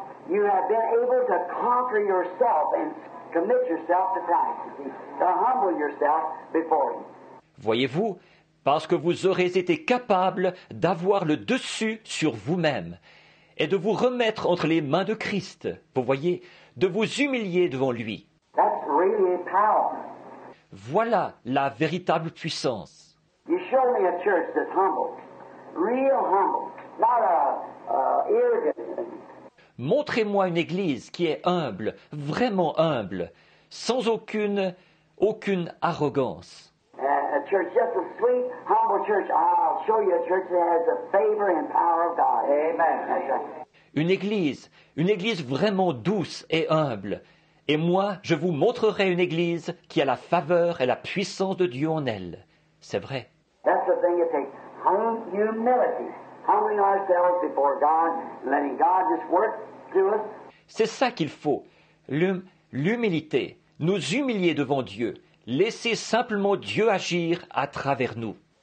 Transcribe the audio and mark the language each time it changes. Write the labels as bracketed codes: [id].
[en] You have been able to conquer yourself and commit yourself to Christ, to humble yourself before Him. [fr] Voyez-vous, parce que vous aurez été capable d'avoir le dessus sur vous-même et de vous remettre entre les mains de Christ, vous voyez, de vous humilier devant Lui. [en] That's really power. [fr] Voilà la véritable puissance. [en] You show me a church that's humble, real humble, not a arrogant. [fr] Montrez-moi une église qui est humble, vraiment humble, sans aucune arrogance. [en] A church, just a sweet, humble church. I'll show you a church that has the favor and power of God. Amen. [fr] Une église vraiment douce et humble. Et moi, je vous montrerai une église qui a la faveur et la puissance de Dieu en elle. C'est vrai. [en] That's the thing it takes. Humility. Humbling ourselves before God, letting God just work. [fr] C'est ça qu'il faut, l'humilité, nous humilier devant Dieu, laisser simplement Dieu agir à travers nous.